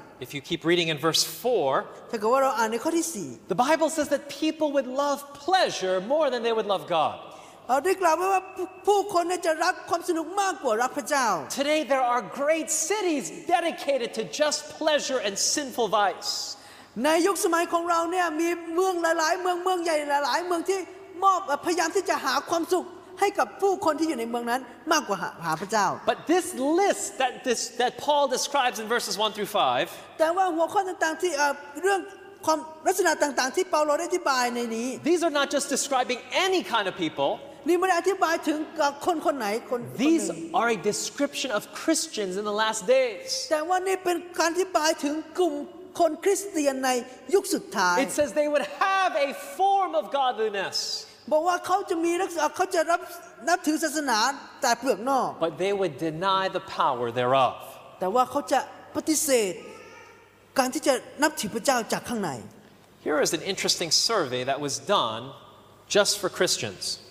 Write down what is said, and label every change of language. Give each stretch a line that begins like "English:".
English: If you keep reading in verse 4
Thai: ถ้าเกิดว่าเราอ่านในข้อที่4
English: The Bible says that people would love pleasure more than they would love God
Thai: ได้กล่าวไว้ว่าผู้คนจะรักความสนุกมากกว่ารักพระเจ้า
English: Today there are great cities dedicated to just pleasure and sinful vice
Thai: ในยุคสมัยของเราเนี่ยมีเมืองหลายๆเมืองใหญ่หลายๆเมืองที่มอบพยายามที่จะหาความสุขให้กับผู้คนที่อยู่ในเมืองนั้นมากกว่าหาพระเจ้า
English: But this list that Paul describes in verses 1 through 5
Thai: แต่ว่าหัวข้อต่างๆที่เรื่องความลักษณะต่างๆที่เปาโลได้อธิบายในนี้
English: These are not just describing any kind of people
Thai: นี่ไม่ได้อธิบายถึงคนคนไหนคน
English: These are a description of Christians in the last days
Thai: แต่ว่านี่เป็นการอธิบายถึงกลุ่มคนคริสเตียนในยุคสุดท้าย
English: It says they would have a form of godliness
Thai: บอกว่าเขาจะมีเขาจะนับถือศาสนาแต่เปลือกนอก
English: But they would deny the power thereof
Thai: แต่ว่าเขาจะปฏิเสธการที่จะนับถือพระเจ้าจากข้างใน
English: Here is an interesting survey that was done just for Christians